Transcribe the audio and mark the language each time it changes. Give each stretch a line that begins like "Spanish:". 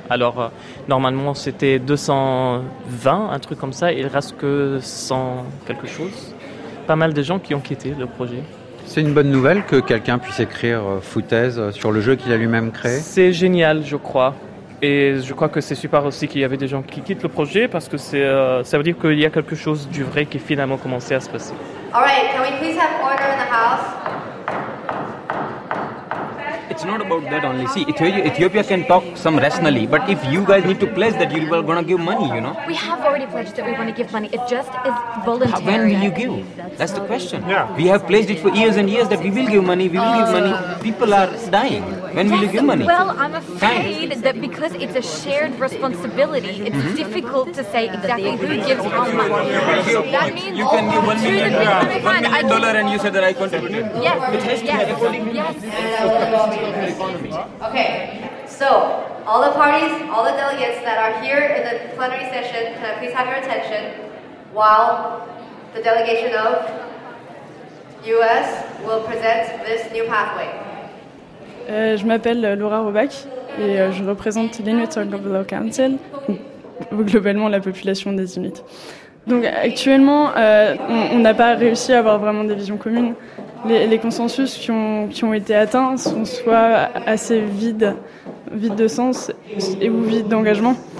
French: Alors, normalement, c'était 220, un truc comme ça. Il reste que 100 quelque chose. Pas mal de gens qui ont quitté le projet. C'est une bonne nouvelle que quelqu'un puisse écrire foutaise sur le jeu qu'il a lui-même créé. C'est génial, je crois. Et je crois que c'est super aussi qu'il y avait des gens qui quittent le projet parce que c'est, ça veut dire qu'il y a quelque chose du vrai qui finalement commencé à se passer.
English: All right, can we please have order in the house? It's not about that only. See, Ethiopia can talk some rationally, but if you guys need to pledge that you're going to give money, you know? We have already pledged that we want to give money. It just is voluntary. When will you give? That's the question. Yeah. We have pledged it for years and years that we will give money, we will give money. People are dying. When will you give money? Well, I'm afraid that because it's a shared responsibility, it's difficult to say exactly who gives how much. That means you can give $1 million and you said that I contributed. Yes. It has to yes. Be Okay, so all the parties, all the delegates that are here in the plenary session, can I please have your attention while the delegation of US will present this new pathway.
French: Je m'appelle Laura Robach et je représente l'Inuit Global Council, globalement la population des Inuits. Donc actuellement, on n'a pas réussi à avoir vraiment des visions communes. Les consensus qui ont été atteints sont soit assez vides de sens et ou vides d'engagement.